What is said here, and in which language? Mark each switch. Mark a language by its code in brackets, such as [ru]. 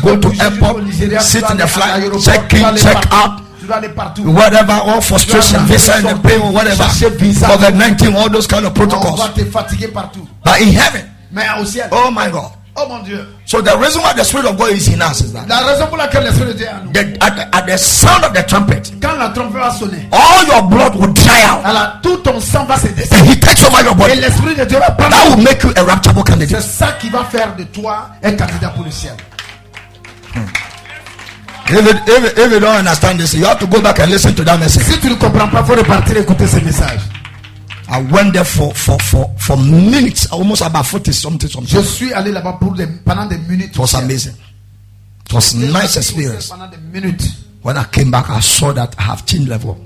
[en] go to airport, Nigeria, sit in the flight, check in, check [fr] partout, [en] out, whatever, all frustration, visa and the pain, whatever, COVID-19, all those kind of protocols. But in heaven, [fr] mais au ciel, [en] oh my God. [fr] Oh mon Dieu. [en] So the reason why the Spirit of God is in us is that [fr] la raison pour laquelle l'Esprit de Dieu est en nous. [en] At the sound of the trumpet, [fr] quand la trompette va sonner, [en] all your blood will dry out. [fr] Alors, tout ton sang va se [en] descendre. And he takes over your body. [fr] Et l'Esprit de Dieu va prendre. [en] That will make you a rapturable candidate. [fr] C'est ça qui va faire de toi un candidat pour le ciel. [en] If you don't understand this, you have to go back and listen to that message. [fr] Si tu ne comprends pas, faut repartir écouter ce message. [en] I went there for minutes, almost about 40 something [fr] Je suis allé là-bas pour des, pendant des minutes. [en] It was amazing. It was a nice experience. [fr] Pendant des minutes. [en] When I came back, I saw that I have changed level.